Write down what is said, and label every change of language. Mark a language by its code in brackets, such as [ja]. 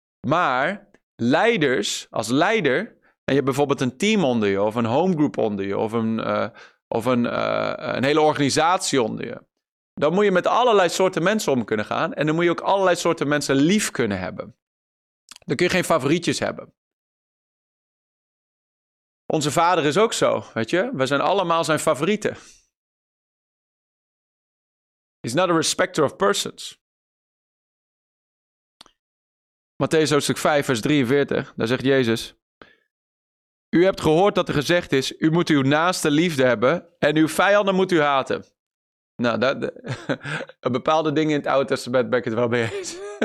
[nl] Maar leiders, als leider, en je hebt bijvoorbeeld een team onder je, of een homegroup onder je, of een hele organisatie onder je. Dan moet je met allerlei soorten mensen om kunnen gaan. En dan moet je ook allerlei soorten mensen lief kunnen hebben. Dan kun je geen favorietjes hebben. Onze vader is ook zo, weet je. We zijn allemaal zijn favorieten. [en] He's not a respecter of persons. [nl] Matteüs hoofdstuk 5, vers 43. Daar zegt Jezus. U hebt gehoord dat er gezegd is. U moet uw naaste liefde hebben. En uw vijanden moet u haten. Nou, een bepaalde dingen in het Oude Testament ben ik het wel mee eens.